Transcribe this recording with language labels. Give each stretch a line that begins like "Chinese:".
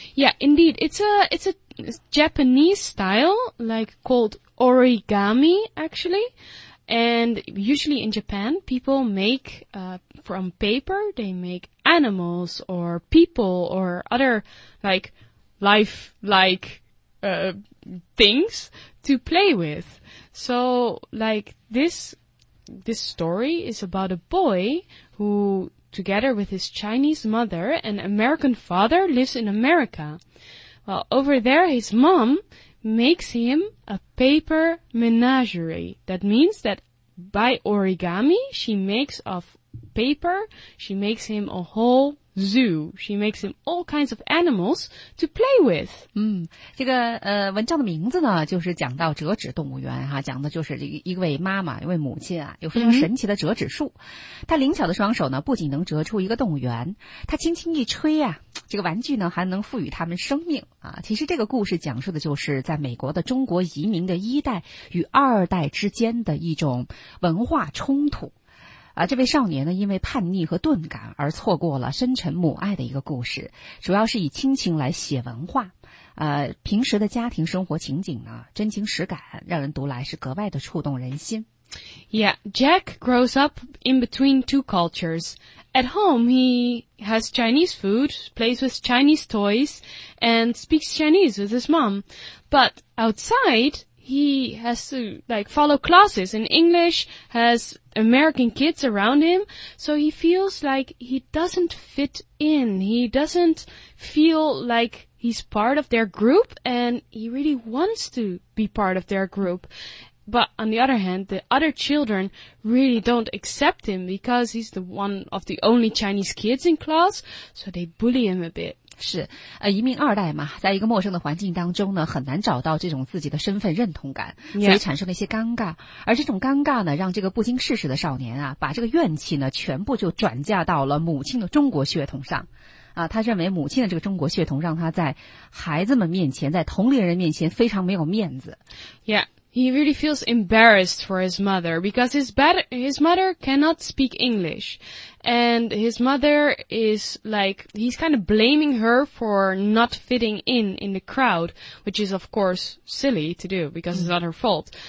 English: Yeah, indeed. It's a Japanese style, like called origami, actually. And usually in Japan, people make, from paper, they make animals or people or other, like, life-like, things to play with. So, like, this story is about a boy who, together with his Chinese mother and American father, lives in America. Well, over there, his mom makes him a paper menagerie. That means that by origami, she makes of paper, she makes him a whole zoo. She makes him all kinds of animals to play with.
Chinese: 这个文章的名字呢就是讲到折纸动物园哈，讲的就是一位妈妈，一位母亲啊，有非常神奇的折纸术。她灵巧的双手呢不仅能折出一个动物园，她轻轻一吹啊，这个玩具呢还能赋予他们生命啊。其实这个故事讲述的就是在美国的中国移民的一代与二代之间的一种文化冲突。啊，这位少年呢，因为叛逆和钝感而错过了深沉母爱的一个故事，主要是以亲情来写文化。平时的家庭生活情景呢，真情实感，让人读来是格外的触动人心。
English: Yeah, Jack grows up in between two cultures. At home, he has Chinese food, plays with Chinese toys, and speaks Chinese with his mom. But outside, he has to, like, follow classes in English, has American kids around him, so he feels like he doesn't fit in. He doesn't feel like he's part of their group, and he really wants to be part of their group. But on the other hand, the other children really don't accept him because he's the one of the only Chinese kids in class, so they bully him a bit.
Chinese: 是，移民二代嘛，在一个陌生的环境当中呢，很难找到这种自己的身份认同感，所以产生了一些尴尬。而这种尴尬呢，让这个不经世事的少年啊，把这个怨气呢，全部就转嫁到了母亲的中国血统上。啊，他认为母亲的这个中国血统让他在孩子们面前，在同龄人面前非常没有面子。
English: Yeah. He really feels embarrassed for his mother because his mother cannot speak English. And his mother is like, he's kind of blaming her for not fitting in the crowd, which is of course silly to do because it's not her fault.